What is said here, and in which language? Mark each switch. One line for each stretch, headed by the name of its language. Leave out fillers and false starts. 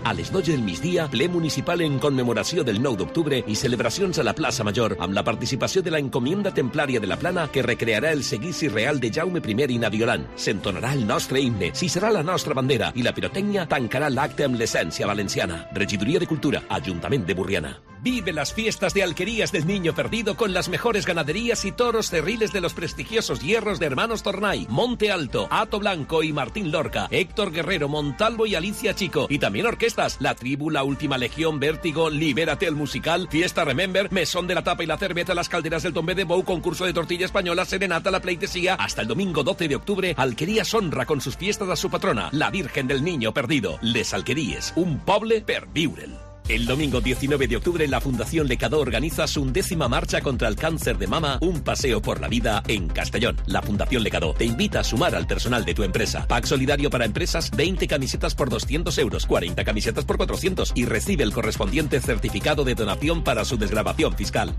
Catalan: A les 12 del migdia, ple municipal en commemoració del 9 d'octubre i celebracions a la plaça Major, amb la participació de la Encomienda Templària de la Plana, que recrearà el seguici real de Jaume I i Naviolant. S'entonarà el nostre himne, si serà la nostra bandera, i la pirotècnia tancarà l'acte amb l'essència valenciana. Regidoria de Cultura, Ajuntament de Burriana.
Spanish: Vive las fiestas de Alquerías del Niño Perdido con las mejores ganaderías y toros cerriles de los prestigiosos hierros de Hermanos Tornay, Monte Alto, Hato Blanco y Martín Lorca, Héctor Guerrero, Montalvo y Alicia Chico. Y también orquestas, La Tribu, La Última Legión, Vértigo, Libérate el Musical, Fiesta Remember, Mesón de la Tapa y la Cerveza, Las Calderas del Tombé de Bou, Concurso de Tortilla Española, Serenata, La Pleitesía. Hasta el domingo 12 de octubre, Alquerías honra con sus fiestas a su patrona, la Virgen del Niño Perdido.
Catalan: Les Alquerías, un poble per viure'l.
Spanish: El domingo 19 de octubre la Fundación Lecado organiza su 10ª marcha contra el cáncer de mama, un paseo por la vida en Castellón. La Fundación Lecado te invita a sumar al personal de tu empresa. Pack solidario para empresas, 20 camisetas por 200 euros, 40 camisetas por 400 y recibe el correspondiente certificado de donación para su desgravación fiscal.